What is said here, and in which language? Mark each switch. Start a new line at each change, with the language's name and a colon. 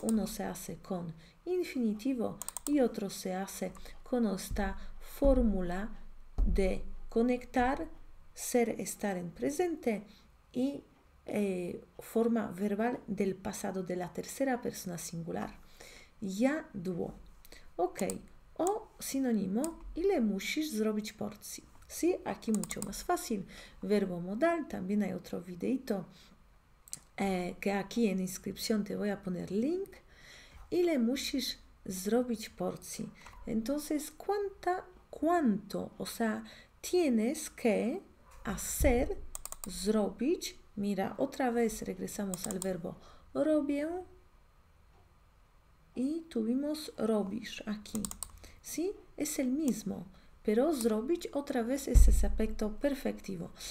Spanish: Uno se hace con infinitivo y otro se hace con esta fórmula de conectar, ser, estar en presente y forma verbal del pasado de la tercera persona singular. Jadło. Ok. O sinónimo,
Polish: ¿ile musisz zrobić porcji?
Spanish: Sí, aquí mucho más fácil. Verbo modal, también hay otro videito. Que aquí en inscripción te voy a poner link.
Polish: ¿Ile musisz zrobić porcji?
Spanish: Entonces, ¿cuánto? O sea, tienes que hacer, zrobić. Mira, otra vez regresamos al verbo robię. Y tuvimos robisz aquí. ¿Sí? Es el mismo, pero zrobić otra vez es ese aspecto perfectivo.